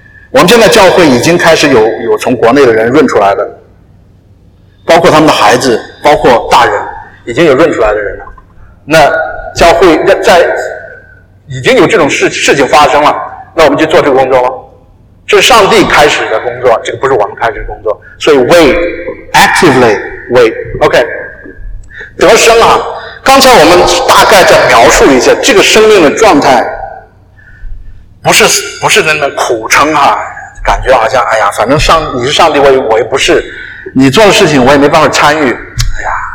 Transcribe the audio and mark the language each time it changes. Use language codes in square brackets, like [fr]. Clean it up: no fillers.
[zh] 我们现在教会已经开始有从国内的人润出来的，包括他们的孩子，包括大人，已经有润出来的人了。那教会在已经有这种事情发生了，那我们就做这个工作吗？这是上帝开始的工作，这个不是我们开始的工作。所以 [en] wait, actively wait. [zh] OK, 得生啊，刚才我们大概再描述一下这个生命的状态。不是那么苦撑哈，感觉好像哎呀，反正上你是上帝，我也不是，你做的事情我也没办法参与，哎呀，